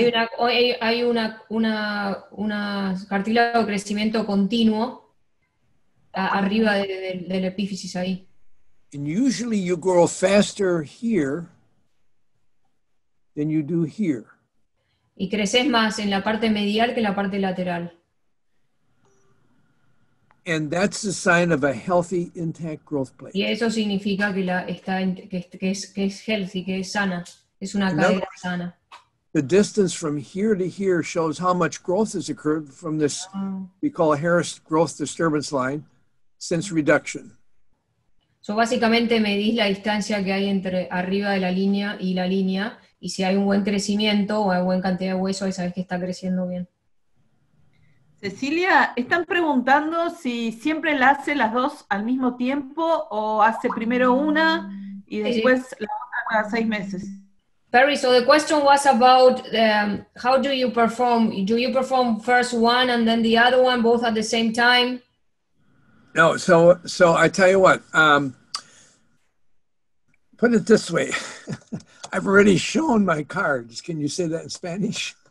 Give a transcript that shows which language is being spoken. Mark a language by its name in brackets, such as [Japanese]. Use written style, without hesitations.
[Spanish] Hay una cartílago de crecimiento continuo arriba del epífisis ahí. [English] And usually you grow faster here than you do here. [Spanish] Y creces más en la parte medial que en la parte lateral. [English] And that's the sign of a healthy, intact growth plate. [Spanish] Y eso significa que es healthy, que es sana. Es una cadera sana. [English] The distance from here to here shows how much growth has occurred from this, we call a Harris growth disturbance line, since reduction. [Spanish] So básicamente medís la distancia que hay entre arriba de la línea, y si hay un buen crecimiento o hay buena cantidad de hueso, ahí sabes que está creciendo bien. Cecilia, están preguntando si siempre la hace las dos al mismo tiempo o hace primero una y después la otra cada 6 meses. [English] Perry, so the question was about how do you perform? Do you perform first one and then the other one, both at the same time? No, so I tell you what, put it this way. I've already shown my cards. Can you say that in Spanish?